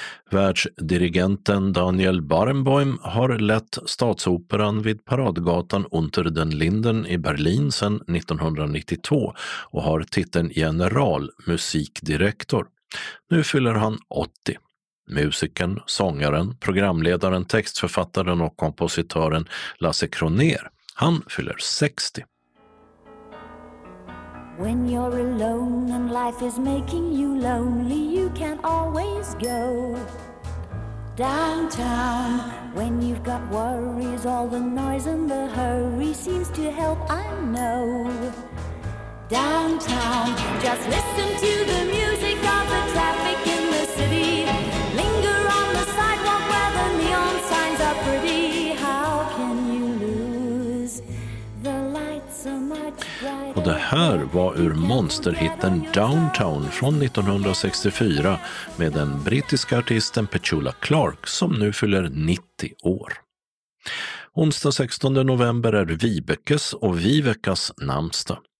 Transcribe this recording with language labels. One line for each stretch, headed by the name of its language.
Swedish: Världsdirigenten Daniel Barenboim har lett statsoperan vid paradgatan Unter den Linden i Berlin sedan 1992 och har titeln generalmusikdirektor. Nu fyller han 80. Musikern, sångaren, programledaren, textförfattaren och kompositören Lasse Kroner, han fyller 60.
English: When you're alone and life is making you lonely, you can always go downtown. When you've got worries, all the noise and the hurry seems to help, I know. Downtown, just listen to the music of the traffic in the city. Linger on the sidewalk where the neon signs are pretty. How can you lose the light so much brighter?
Swedish: Och det här var ur monsterhitten Downtown från 1964 med den brittiska artisten Petula Clark som nu fyller 90 år. Onsdag 16 november är Vibekes och Vivekas namnsdag.